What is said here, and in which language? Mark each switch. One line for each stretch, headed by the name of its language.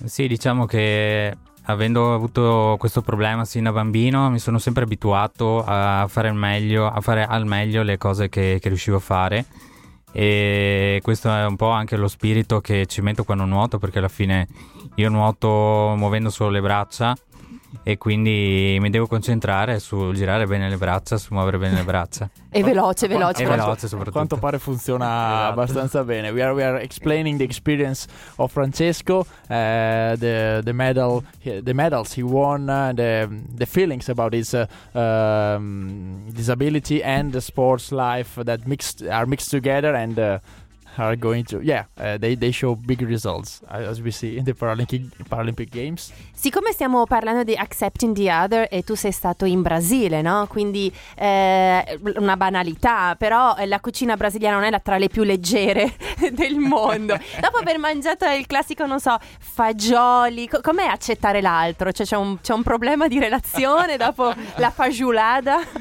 Italian: Sì, diciamo che avendo avuto questo problema sin da bambino mi sono sempre abituato a fare al meglio le cose che riuscivo a fare. E questo è un po' anche lo spirito che ci metto quando nuoto, perché alla fine io nuoto muovendo solo le braccia e quindi mi devo concentrare su girare bene le braccia, su muovere bene le braccia. È veloce soprattutto. Quanto pare funziona abbastanza bene.
English: We are explaining the experience of Francesco, the medals he won, the feelings about his disability and the sports life that are mixed together and are going to, they show big results as we see in the Paralympic Games.
Italian: Siccome stiamo parlando di
English: accepting the other
Italian: e tu sei stato in Brasile, no? Quindi una banalità, però la cucina brasiliana non è tra le più leggere del mondo. Dopo aver mangiato il classico, non so, fagioli, com'è accettare l'altro? Cioè c'è un problema di relazione dopo la fagiolada?